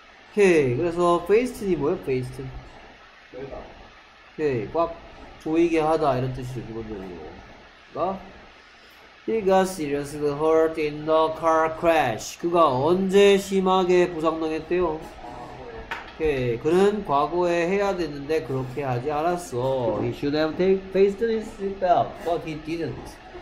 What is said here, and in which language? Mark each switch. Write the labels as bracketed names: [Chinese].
[Korean] 오케이, 그래서 페이스트니 뭐예요? 페이스트 넓다. 오케이, 꽉 조이게 하다 이런 뜻이죠, 기본적으로. 그러니까 [English] He got seriously hurt in the car crash. [Korean] 그가 언제 심하게 부상당했대요? 오케이, 그는 과거에 해야 되는데 그렇게 하지 않았어. [English] He should have taken faced his seatbelt, but he didn't.